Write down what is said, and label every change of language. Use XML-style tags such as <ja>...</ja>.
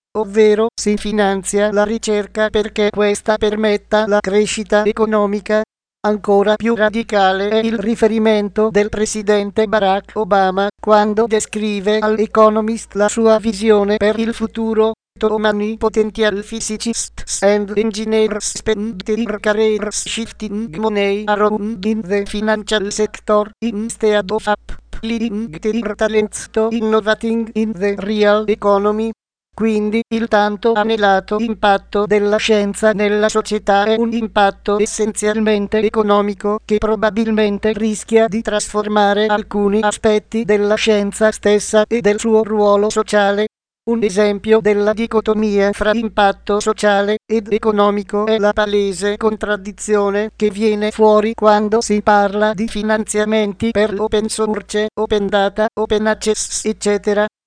<it>Ovvero si finanzia la ricerca perché questa permetta la crescita economica. Ancora più radicale è il riferimento del presidente Barack Obama quando descrive all'Economist la sua visione per il futuro.</it> <en>Many potential physicists and engineers spend their careers shifting money around in the financial sector instead of applying their talents to innovating in the real economy.</en> <it>Quindi il tanto anelato impatto della scienza nella società è un impatto essenzialmente economico che probabilmente rischia di trasformare alcuni aspetti della scienza stessa e del suo ruolo sociale. Un esempio della dicotomia fra impatto sociale ed economico è la palese contraddizione che viene fuori quando si parla di finanziamenti per open source, open data, open access, eccetera.</it>